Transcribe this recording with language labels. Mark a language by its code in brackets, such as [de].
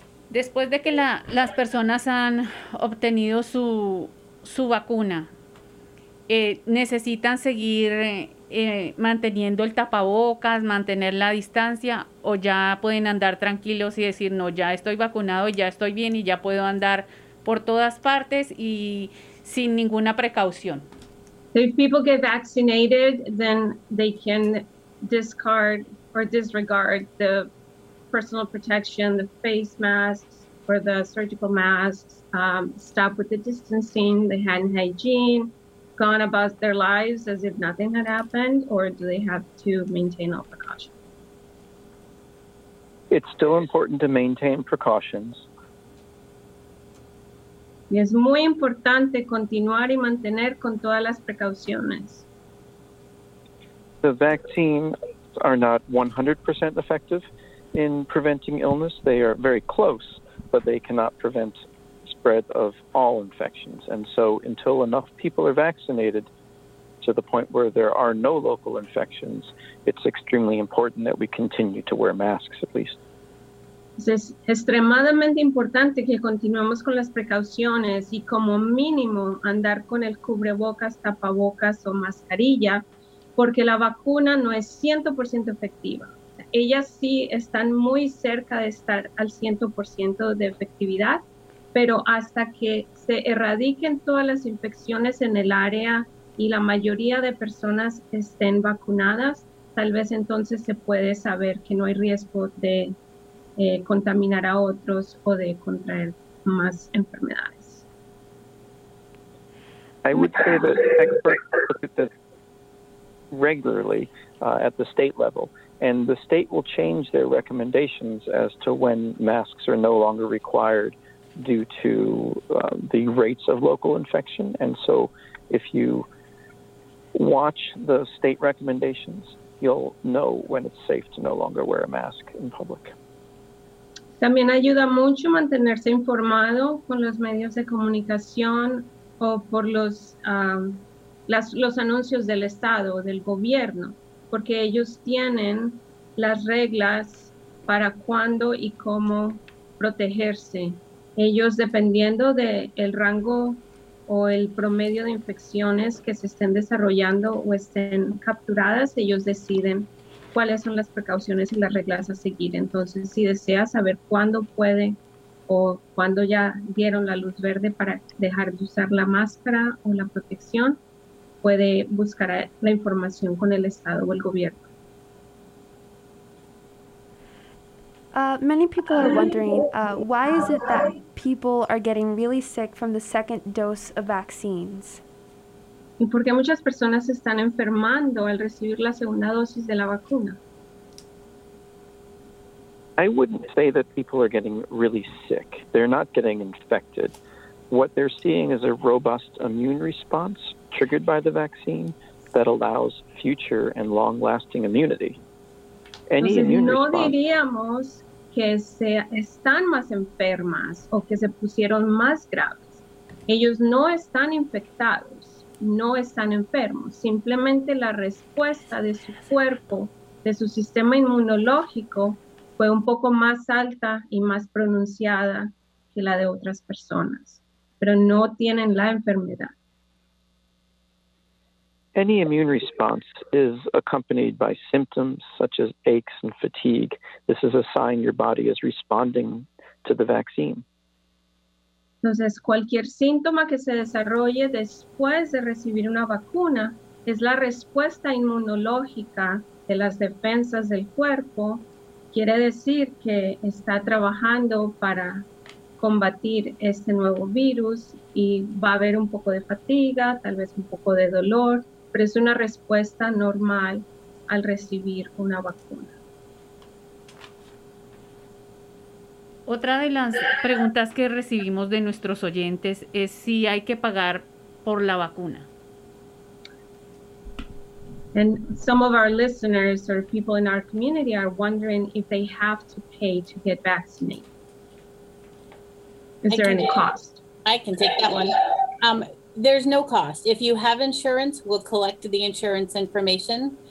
[es] Después de que las personas han obtenido su vacuna, ¿necesitan seguir manteniendo el tapabocas, mantener la distancia, o ya pueden andar tranquilos y decir, no, ya estoy vacunado, ya estoy bien y ya puedo andar por todas partes y sin ninguna precaución? [en] If people get vaccinated, then they can discard or disregard the personal protection, the face masks or the surgical masks, stop with the distancing, the hand hygiene, gone about their lives as if nothing had happened, or do they have to maintain all precautions? It's still important to maintain precautions. [es] Y es muy importante continuar y mantener con todas las precauciones. [en] The vaccines are not 100% effective in preventing illness. They are very close, but they cannot prevent spread of all infections. And so until enough people are vaccinated to the point where there are no local infections, it's extremely important that we continue to wear masks at least. [es] Es extremadamente importante que continuemos con las precauciones y como mínimo andar con el cubrebocas, tapabocas o mascarilla, porque la vacuna no es 100% efectiva. Ellas sí están muy cerca de estar al 100% de efectividad, pero hasta que se erradiquen todas las infecciones en el área y la mayoría de personas estén vacunadas, tal vez entonces se puede saber que no hay riesgo de contaminar a otros o de contraer más enfermedades. [en] I would say that experts look at this regularly at the state level, and the state will change their recommendations as to when masks are no longer required due to the rates of local infection. And so if you watch the state recommendations, you'll know when it's safe to no longer wear a mask in public. [es] También ayuda mucho mantenerse informado con los medios de comunicación o por los anuncios del estado o del gobierno, porque ellos tienen las reglas para cuándo y cómo protegerse. Ellos, dependiendo del rango o el promedio de infecciones que se estén desarrollando o estén capturadas, ellos deciden cuáles son las precauciones y las reglas a seguir. Entonces, si desea saber cuándo puede o cuándo ya dieron la luz verde para dejar de usar la máscara o la protección, puede buscar la información con el estado o el gobierno. [en] Many people are wondering, why is it that people are getting really sick from the second dose of vaccines? [es] ¿Y por qué muchas personas se están enfermando al recibir la segunda dosis de la vacuna? [en] I wouldn't say that people are getting really sick. They're not getting infected. What they're seeing is a robust immune response triggered by the vaccine that allows future and long-lasting immunity. [es] Diríamos que se están más enfermas o que se pusieron más graves. Ellos no están infectados, no están enfermos. Simplemente la respuesta de su cuerpo, de su sistema inmunológico, fue un poco más alta y más pronunciada que la de otras personas. Pero no tienen la enfermedad. [en] Any immune response is accompanied by symptoms such as aches and fatigue. This is a sign your body is responding to the vaccine. [es] Entonces, cualquier síntoma que se desarrolle después de recibir una vacuna es la respuesta inmunológica de las defensas del cuerpo. Quiere decir que está trabajando para combatir este nuevo virus y va a haber un poco de fatiga, tal vez un poco de dolor. Pero es una respuesta normal al recibir una vacuna. Otra de las preguntas que recibimos de nuestros oyentes es si hay que pagar por la vacuna. [en] And some of our listeners or people in our community are wondering if they have to pay to get vaccinated. Is there any cost? I can take that one. There's no cost. If you have insurance, we'll collect the insurance information.